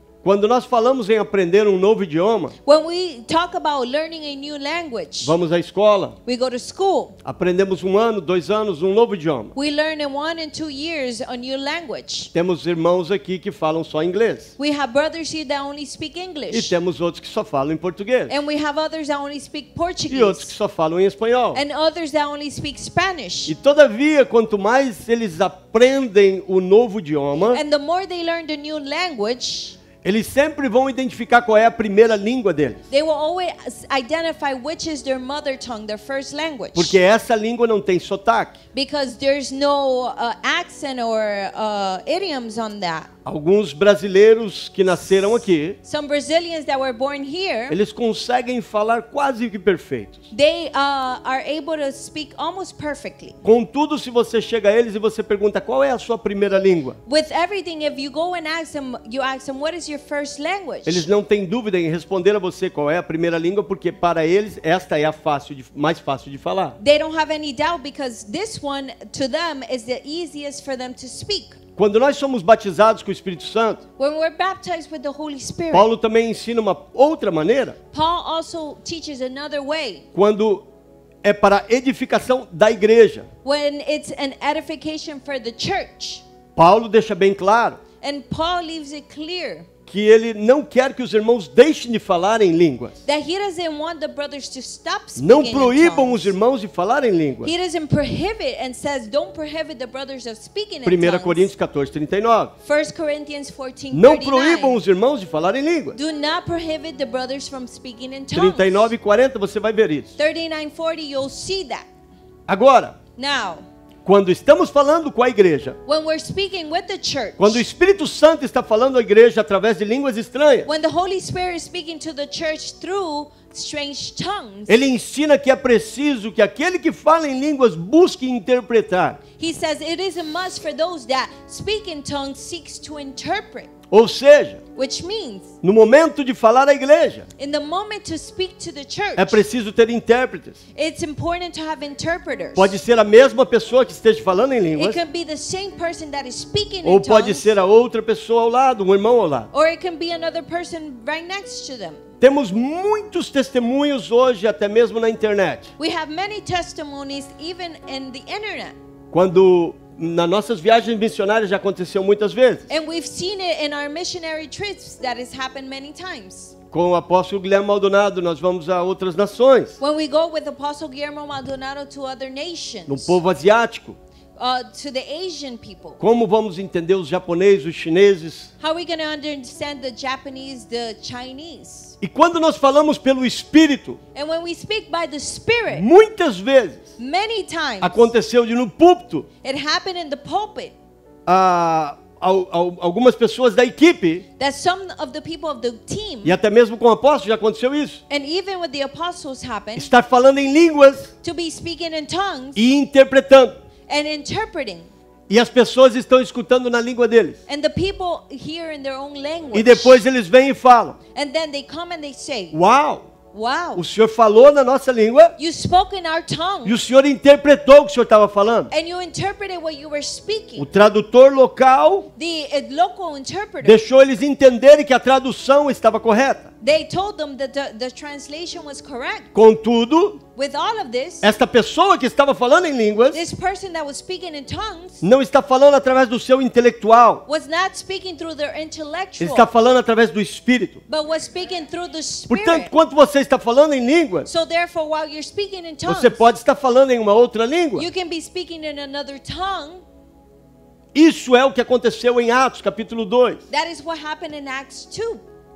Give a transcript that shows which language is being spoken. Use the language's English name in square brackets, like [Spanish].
[Portuguese] Quando nós falamos em aprender um novo idioma, [English] when we talk about learning a new language, [Portuguese] vamos à escola, [English] we go to school, [Portuguese] aprendemos um ano, dois anos, um novo idioma. [English] We learn in 1 and 2 years a new language. [Portuguese] Temos irmãos aqui que falam só inglês. [English] We have brothers here that only speak English. [Portuguese] E temos outros que só falam em português. [English] And we have others that only speak Portuguese. [Portuguese] E outros que só falam em espanhol. [English] And others that only speak Spanish. [Portuguese] E todavia, quanto mais eles aprendem o novo idioma, [English] and the more they learn the new language, [Portuguese] eles sempre vão identificar qual é a primeira língua deles. [English] They will always identify which is their mother tongue, their first language. [Portuguese] Porque essa língua não tem sotaque. [English] Because there's no accent or idioms on that. [Portuguese] Alguns brasileiros que nasceram aqui, [English] some Brazilians that were born here, [Portuguese] eles conseguem falar quase que perfeitos. [English] They are able to speak almost perfectly. [Portuguese] Contudo, se você chega a eles e você pergunta qual é a sua primeira língua, [English] with everything, if you go and ask them, you ask them what is your first language. [Portuguese] Eles não têm dúvida em responder a você qual é a primeira língua, porque para eles esta é a fácil de, mais fácil de falar. [English] They don't have any doubt because this one to them is the easiest for them to speak. [Portuguese] Quando nós somos batizados com o Espírito Santo, [English] when we're baptized with the Holy Spirit, [Portuguese] Paulo também ensina uma outra maneira. [English] Paul also teaches another way. [Portuguese] Quando é para edificação da igreja. [English] When it's an edification for the church. [Portuguese] Paulo deixa bem claro. [English] And Paul leaves it clear. [Portuguese] Que ele não quer que os irmãos deixem de falar em línguas. [English] That he doesn't want the brothers to stop speaking. [Portuguese] Não proíbam os irmãos de falar em línguas. [English] He doesn't prohibit and says don't prohibit the brothers of speaking in tongues. 1 Coríntios 14:39. 1 Corinthians 14:39. [Portuguese] Não proíbam os irmãos de falar em línguas. [English] Do not prohibit the brothers from speaking in tongues. [Portuguese] 39:40 você vai ver isso. [English] 39:40 you'll see that. [Portuguese] Agora. [English] Now. [Portuguese] Quando estamos falando com a igreja, [English] when we're speaking with the church, [Portuguese] quando o Espírito Santo está falando à igreja através de línguas estranhas, [English] when the Holy Spirit is speaking to the church through strange tongues, [Portuguese] ele ensina que é preciso que aquele que fala em línguas busque interpretar. [English] He says it is a must for those that speak in tongues seeks to interpret. [Portuguese] Ou seja, [English] which means, [Portuguese] no momento de falar à igreja, [English] in the moment to speak to the church, [Portuguese] é preciso ter intérpretes. [English] It's important to have interpreters. [Portuguese] Pode ser a mesma pessoa que esteja falando em línguas. [English] It can be the same person that is speaking in tongues. [Portuguese] pode ser a outra pessoa ao lado, um irmão ao lado. [English] Or it can be another person right next to them. [Portuguese] Temos muitos testemunhos hoje, até mesmo na internet. [English] We have many testimonies even in the internet. [Portuguese] Quando nas nossas viagens missionárias já aconteceu muitas vezes. [English] And we've seen it in our missionary trips that has happened many times. [Portuguese] Com o apóstolo Guilherme Maldonado, nós vamos a outras nações. [English] When we go with Apostle Guillermo Maldonado to other nations. [Portuguese] No povo asiático. [English] To the Asian people. [Portuguese] Como vamos entender os japoneses, os chineses? [English] How are we going to understand the Japanese, the Chinese? [Portuguese] E quando nós falamos pelo Espírito, [English] and when we speak by the Spirit, [Portuguese] muitas vezes, [English] many times, [Portuguese] aconteceu de no púlpito, [English] it happened in the pulpit, [Portuguese] algumas pessoas da equipe, [English] that some of the people of the team, [Portuguese] e até mesmo com apóstolos já aconteceu isso, [English] and even with the apostles happened, [Portuguese] estar falando em línguas, [English] to be speaking in tongues, [Portuguese] e interpretando, [English] and interpreting. [Portuguese] E as pessoas estão escutando na língua deles. [English] And the people hear in their own language. [Portuguese] E depois eles vêm e falam. [English] And then they come and they say, [Portuguese] uau! [English] Wow. [Portuguese] O Senhor falou na nossa língua. [English] You spoke in our tongue. [Portuguese] E o Senhor interpretou o que o Senhor estava falando. [English] And you interpreted what you were speaking. [Portuguese] O tradutor local, [English] the local interpreter, [Portuguese] deixou eles entenderem que a tradução estava correta. [English] They told them that the translation was correct. [Portuguese] Contudo, [English] with all of this, [Portuguese] esta pessoa que estava falando em línguas, [English] this person that was speaking in tongues, [Portuguese] não está falando através do seu intelectual. [English] Was not speaking through their intellectual. [Portuguese] Ele está falando através do Espírito. [English] But was speaking through the Spirit. [Portuguese] Portanto, quando você está falando em línguas, [English] so therefore, while you're speaking in tongues, [Portuguese] você pode estar falando em uma outra língua. [English] You can be speaking in another tongue. [Portuguese] Isso é o que aconteceu em Atos, capítulo 2. [English] That is what happened in Acts 2.